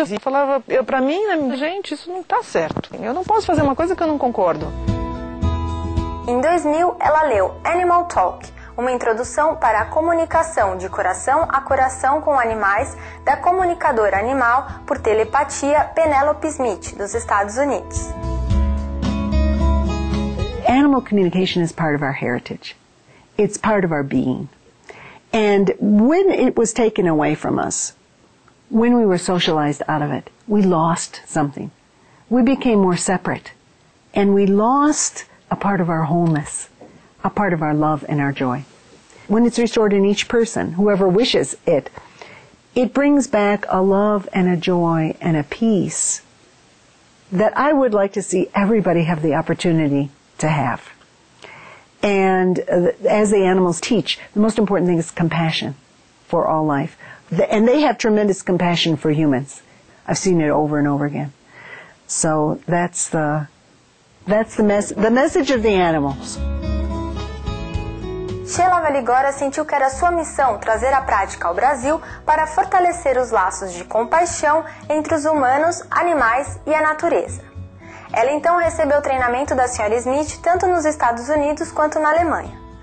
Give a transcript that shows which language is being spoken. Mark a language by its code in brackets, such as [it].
[pt] Eu falava, para mim, né, gente, isso não está certo, eu não posso fazer uma coisa que eu não concordo. Em 2000, ela leu Animal Talk, uma introdução para a comunicação de coração a coração com animais da comunicadora animal por telepatia Penelope Smith, dos Estados Unidos. [en] Animal communication is part of our heritage. It's part of our being. And when it was taken away from us, when we were socialized out of it, we lost something. We became more separate. And we lost a part of our wholeness, a part of our love and our joy. When it's restored in each person, whoever wishes it, it brings back a love and a joy and a peace that I would like to see everybody have the opportunity to have. And as the animals teach, the most important thing is compassion for all life. And they have tremendous compassion for humans. I've seen it over and over again. So that's the message of the animals. [pt] Sheila Valigora sentiu que era sua missão trazer a prática ao Brasil para fortalecer os laços de compaixão entre os humanos, animais e a natureza. Ela então recebeu treinamento da Sra. Smith tanto nos Estados Unidos quanto na Alemanha.